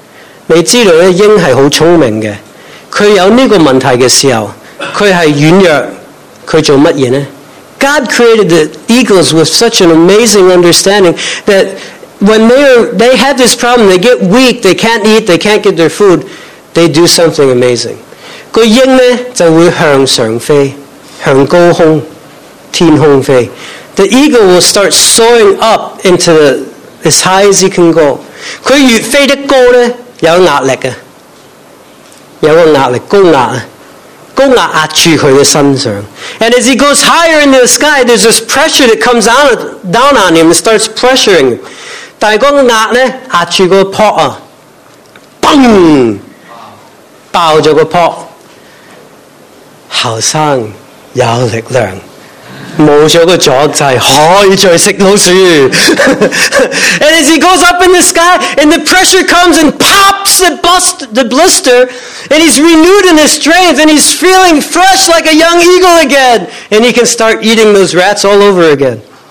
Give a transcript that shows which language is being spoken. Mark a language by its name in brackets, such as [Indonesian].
[Chinese] 神很奇妙创造鹰啊。你知道鹰是很聪明的。他有这个问题的时候,他是软弱,他做什么呢? [English] God created the eagles with such an amazing understanding that when they have this problem, they get weak, they can't eat, they can't get their food, they do something amazing. [Chinese] 那鹰呢,就会向上飞,向高空,天空飞。 [English] The eagle will start soaring up into as high as he can go. [Chinese] 他越飞得高呢,有压力的。有个压力,高压压住他的身上。 [English] And as he goes higher into the sky, there's this pressure that comes down on him and starts pressuring. [Chinese] 但是那个压呢,压住那个泡啊, 嘣!爆了那个泡, 后生有力量, 没了那个阻滞,可以再吃老鼠。 [English] And as he goes up in the sky, and the pressure comes and pops the blister, and he's renewed in his strength, and he's feeling fresh like a young eagle again, and he can start eating those rats all over again.